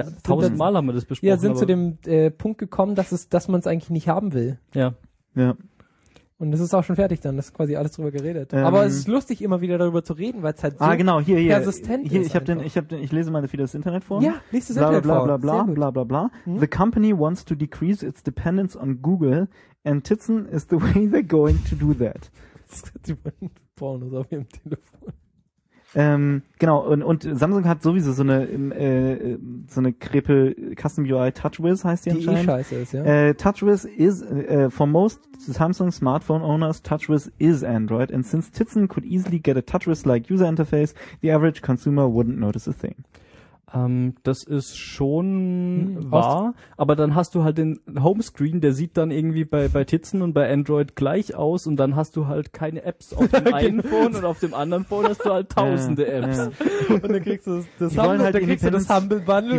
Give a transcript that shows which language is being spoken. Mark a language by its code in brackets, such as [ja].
[de] Tausendmal haben wir das besprochen. Ja, sind zu dem Punkt gekommen, dass man es eigentlich nicht haben will. Ja. Ja. Und es ist auch schon fertig dann, das ist quasi alles drüber geredet. Aber es ist lustig, immer wieder darüber zu reden, weil es halt so persistent hier, ich lese meine Feeder das Internet vor. Ja, liest das Internet vor. Bla bla bla. [en] The company wants to decrease its dependence on Google and Titson is the way they're going to do that. [de] Das hat sie bei den Pornos auf ihrem Telefon. Genau, und Samsung hat sowieso so eine Krippel Custom UI TouchWiz heißt die anscheinend. Die eh scheiße ist, ja. [en] TouchWiz is for most Samsung smartphone owners, TouchWiz is Android, and since Titson could easily get a TouchWiz-like user interface, the average consumer wouldn't notice a thing. [de] Das ist schon wahr, aber dann hast du halt den Homescreen, der sieht dann irgendwie bei Titzen und bei Android gleich aus und dann hast du halt keine Apps auf dem einen Phone und auf dem anderen Phone hast du halt tausende Apps. Und dann kriegst du das Humble Bundle.